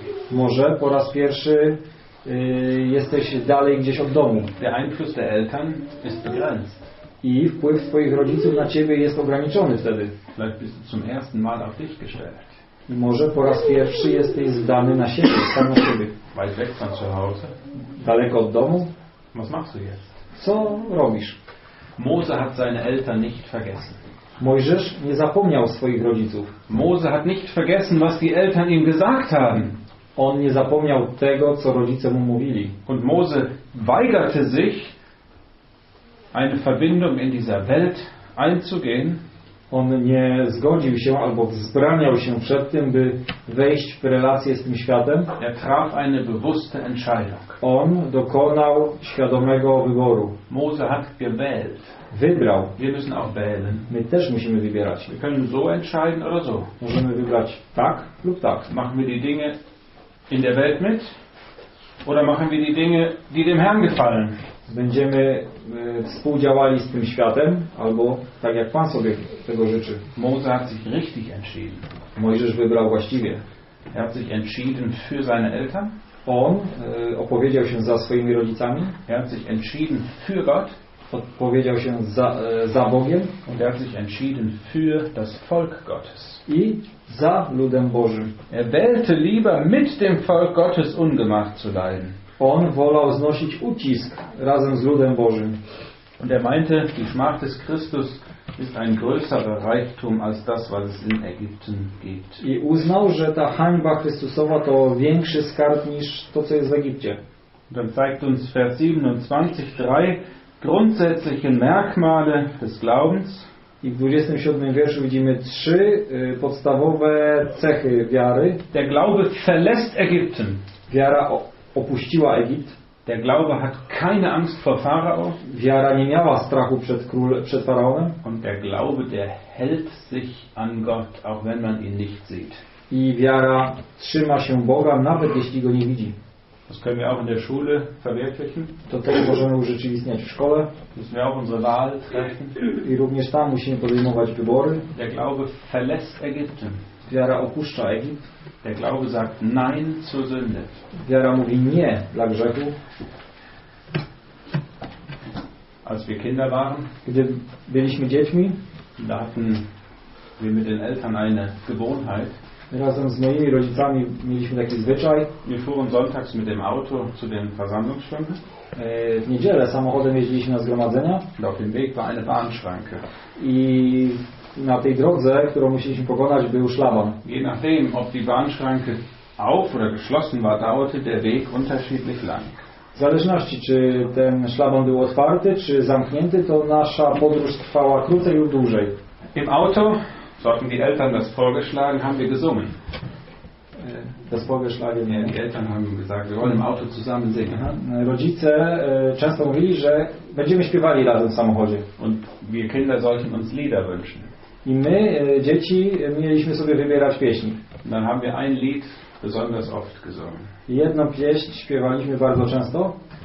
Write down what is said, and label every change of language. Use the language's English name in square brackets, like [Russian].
[Polish] Może po raz pierwszy jesteś dalej gdzieś od domu. [German] Der Einfluss der Eltern ist begrenzt. [Polish] I wpływ twoich rodziców na ciebie jest ograniczony wtedy. [German] Vielleicht bist du zum ersten Mal auf dich gestellt. [Polish] I może po raz pierwszy jesteś zdany na siebie, sam na siebie. [German] Weit weg von zu Hause. [Polish] Daleko od domu. [German] Was machst du jetzt? [Polish] Co robisz? [German] Mose hat seine Eltern nicht vergessen. [Polish] Mojżesz nie zapomniał swoich rodziców. [German] Mose hat nicht vergessen, was die Eltern ihm gesagt haben. [Polish] On nie zapomniał tego, co rodzice mu mówili. [German] Und Mose weigerte sich, eine Verbindung in dieser Welt einzugehen. [Polish] On nie zgodził się albo wzbraniał się przed tym, by wejść w relację z tym światem. [German] Er traf eine bewusste Entscheidung. [Polish] On dokonał świadomego wyboru. [German] Mose hat gewählt. [Polish] Wybrał. [German] Wir müssen auch wählen. [Polish] My też musimy wybierać. [German] Wir können so entscheiden oder so. [Polish] Możemy wybrać tak lub tak. [German] Machen wir die Dinge in der Welt mit oder machen wir die Dinge, die dem Herrn gefallen? [Polish] Będziemy współdziałali z tym światem albo tak jak Pan sobie tego życzy. [German] Mose hat sich richtig entschieden. [Polish] Mojżesz wybrał właściwie. [German] Er hat sich entschieden für seine Eltern. [Polish] On opowiedział się za swoimi rodzicami. [German] Er hat sich entschieden für Gott. [Polish] Odpowiedział się za Bogiem. [German] Und er hat sich entschieden für das Volk Gottes. [Polish] I za ludem Bożym. [German] Er wählte lieber mit dem Volk Gottes ungemacht zu leiden. [Polish] On wolał znosić ucisk razem z ludem Bożym. [German] Und er meinte, die Schmach des Christus ist ein größerer Reichtum als das, was es in Ägypten gibt. [Polish] I uznał, że ta hańba Chrystusowa to większy skarb niż to, co jest w Egipcie. [German] Und dann zeigt uns Vers 27, 3 grundsätzliche Merkmale des Glaubens. [Polish] I w 27 wierszu widzimy trzy podstawowe cechy wiary. [German] Der Glaube verlässt Ägypten. [Polish] Wiara opuściła Egipt. [German] Der Glaube hat keine Angst vor Pharao. [Polish] Wiara nie miała strachu przed Faraonem. [German] Und der Glaube, der hält sich an Gott, auch wenn man ihn nicht sieht. [Polish] I wiara trzyma się Boga, nawet jeśli go nie widzi. [German] Das können wir auch in der Schule verwirklichen. [Polish] To też możemy urzeczywistniać w szkole. [German] Müssen wir auch unsere Wahl treffen. [Polish] I również tam musimy podejmować wybory. [German] Der Glaube verlässt Ägypten. [Polish] Wiara opuszcza Egipt. [German] Der Glaube sagt nein zur Sünde. [Polish] Wiara mówi nie dla grzechu. [German] Als wir Kinder waren, [Polish] gdy byliśmy dziećmi, [German] da hatten wir mit den Eltern eine Gewohnheit. [Polish] Razem z moimi rodzicami mieliśmy taki zwyczaj. [German] Wir fuhren sonntags mit dem Auto zu den Versammlungsstunden. [Polish] W niedzielę samochodem jeździliśmy na zgromadzenia. [German] Und auf dem Weg war eine Bahnschranke. [Polish] I na tej drodze, którą musieliśmy pokonać, był szlaban. [German] Je nachdem, ob die Bahnschranke auf oder geschlossen war, dauerte der Weg unterschiedlich lang. [Polish] W zależności, czy ten szlaban był otwarty, czy zamknięty, to nasza podróż trwała krócej lub dłużej. [German] Im Auto, so hatten die Eltern das vorgeschlagen, haben wir gesungen. Das vorgeschlagen, nie, die Eltern haben gesagt, wir wollen im Auto zusammen singen. [Polish] Rodzice często mówili, że będziemy śpiewali razem w samochodzie. [German] Und wir Kinder sollten uns Lieder wünschen. [Polish] I my, dzieci, mieliśmy sobie wybierać pieśni. [German] Dann haben wir ein Lied besonders oft gesungen. [Polish] Jedną pieśń śpiewaliśmy bardzo często.